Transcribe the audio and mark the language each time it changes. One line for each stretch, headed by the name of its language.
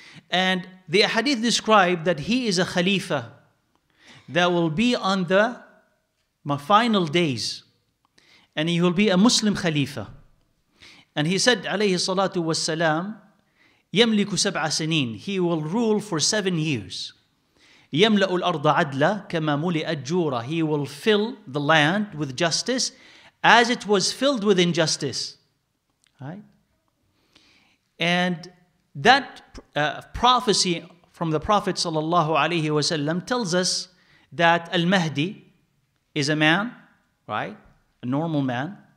English: And the hadith described that he is a khalifa that will be on the final days, and he will be a Muslim khalifa. And he said, alayhi salatu wa sallam,
Arabic: يملك سبع سنين.
English: He will rule for 7 years.
Arabic: يملأ الأرض عدلا كما ملئت جورا.
English: He will fill the land with justice as it was filled with injustice. Right? And that prophecy from the Prophet sallallahu alayhi wa sallam tells us that Al-Mahdi is a man, right? A normal man.